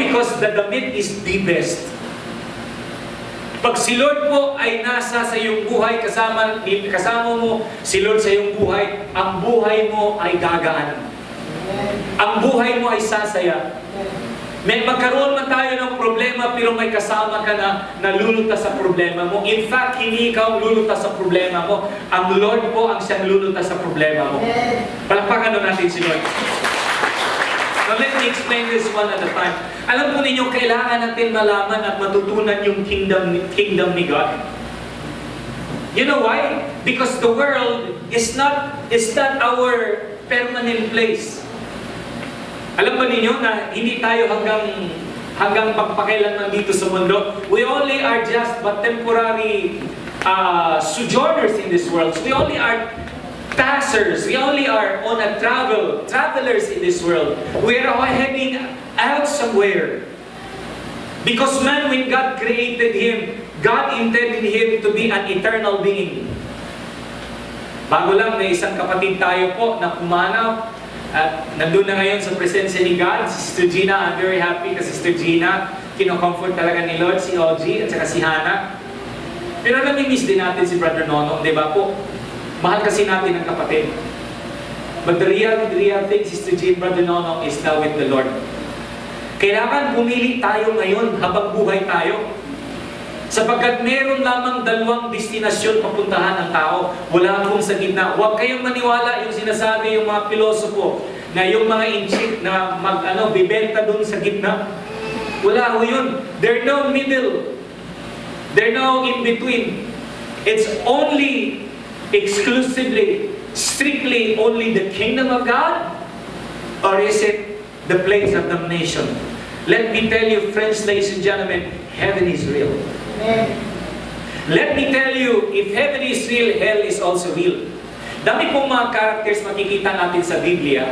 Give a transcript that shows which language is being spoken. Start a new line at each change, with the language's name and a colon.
English: Because the damit is the best.
Filipino: Pag si Lord po ay nasa sa iyong buhay, kasama mo si Lord sa iyong buhay, ang buhay mo ay gagaan. Ang buhay mo ay sasaya. May magkaroon man tayo ng problema, pero may kasama ka na nalulutas sa problema mo.
English: In fact,
Filipino: hindi ikaw lulutas sa problema mo. Ang Lord po ang siyang lulutas sa problema mo. Palakpakan natin si Lord.
English: So let me explain this one at a time.
Filipino: Alam po ninyo, kailangan natin malaman at matutunan yung kingdom ni God.
English: You know why? Because the world is not our permanent place.
Filipino: Alam po ninyo na hindi tayo hanggang magpakailan man dito sa mundo.
English: We only are just but temporary sojourners in this world. So we only are passers. We only are on a travelers in this world. We are all heading out somewhere. Because man, when God created him, God intended him to be an eternal being.
Filipino: Bago lang, may isang kapatid tayo po na kumanaw at nandun na ngayon sa presensya ni God, Sister Gina.
English: I'm very happy
Filipino: kasi Sister Gina, kinocomfort talaga ni Lord si OG at saka si Hannah. Pero nami-miss din natin si Brother Nono, di ba po? Mahal kasi natin ang kapatid.
English: But the real thing, Sister Jean, Brother Nonong, is now with the Lord.
Filipino: Kailangan pumili tayo ngayon habang buhay tayo. Sapagkat meron lamang dalawang destinasyon papuntahan ang tao. Wala akong sa gitna. Huwag kayong maniwala yung sinasabi yung mga pilosopo na yung mga inchik na bibenta dun sa gitna. Wala ho yun.
English: There no middle. There no in between. It's only exclusively, strictly only the kingdom of God, or is it the place of damnation? Let me tell you, friends, ladies and gentlemen, heaven is real. Amen. Let me tell you, if heaven is real, hell is also real.
Filipino: Dami pong mga characters makikita natin sa Biblia.